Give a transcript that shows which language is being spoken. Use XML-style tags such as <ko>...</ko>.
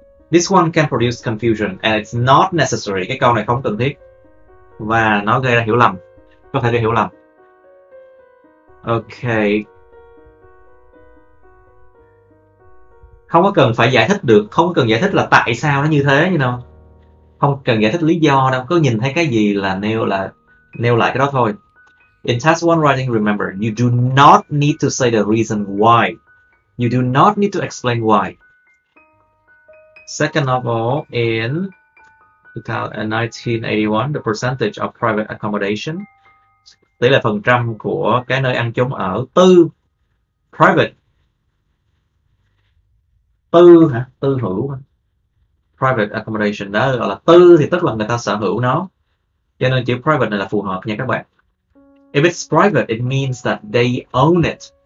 <en>This one can produce confusion and it's not necessary.</en> <vi>Cái câu này không cần thiết và nó gây ra hiểu lầm. Có thể gây hiểu lầm. Okay. Không có cần phải giải thích được, không cần giải thích là tại sao nó như thế,</vi> <en>you know.</en> <vi>Không cần giải thích lý do đâu, cứ nhìn thấy cái gì là nêu lại cái đó thôi.</vi> <en>In task 1 writing, remember, you do not need to say the reason why. You do not need to explain why. Second of all, in 1981, the percentage of private accommodation,</en> <vi>tỷ lệ phần trăm của cái nơi ăn chốn ở tư, private, tư hả, tư hữu, private accommodation, đó gọi là tư thì tức là người ta sở hữu nó. Cho nên chữ private này là phù hợp nha các bạn.</vi> <en>If it's private, it means that they own it.</en>